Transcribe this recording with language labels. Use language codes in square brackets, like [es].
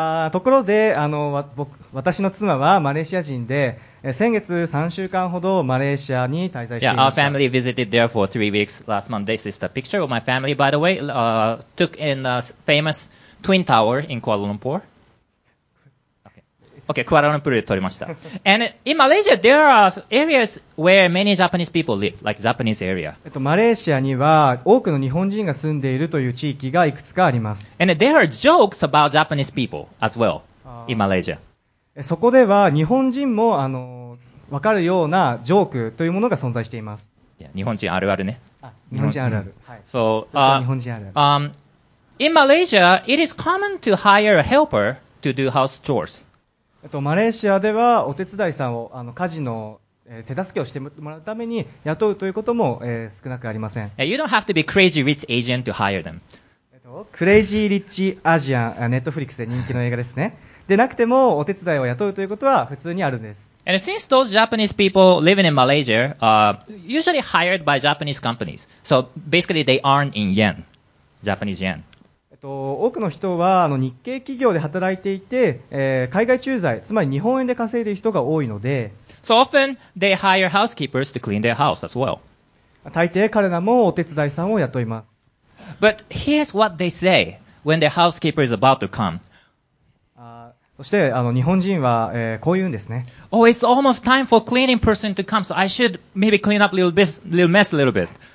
[ja] ところで私の妻はマレーシア人で、先月3週間ほどマレーシアに滞在していました。 [en] Yeah, our family visited there for 3 weeks last month. This is the picture of my family, by the way. Took in the famous Twin Tower in Kuala Lumpur. Okay, Kuala Lumpur [ja] で撮りました。 [en] And in Malaysia, there are areas where many Japanese people live, like Japanese area. [ja] マレーシアには多くの日本人が住んでいるという地域がいくつかあります。 [en] And there are jokes about Japanese people as well in Malaysia. [ja] そこでは日本人も分かるようなジョークというものが存在しています。日本人あるあるね。日本人あるある。そう、日本人あるある。 [en] In Malaysia, it is common to hire a helper to do house chores. [ja] マレーシアではお手伝いさんを家事の手助けをしてもらうために雇うということも、少なくありません。 [en] You don't have to be crazy rich Asian to hire them. [ja] クレイジーリッチアジアン、ネットフリックスで人気の映画ですね。でなくてもお手伝いを雇うということは普通にあるんです。 [en] And since those Japanese people living in Malaysia are usually hired by Japanese companies, so basically they earn in yen, Japanese yen. [ja] 多くの人は日系企業で働いていて、海外駐在、つまり日本円で稼いでいる人が多いので、 [en] So often they hire housekeepers to clean their house as well. [ja] 大抵彼らもお手伝いさんを雇います。 [en] But here's what they say when their housekeeper is about to come. [ja] そして日本人は、こう言うんですね。 [en] Oh, it's almost time for cleaning person to come, so I should maybe clean up little mess a little bit.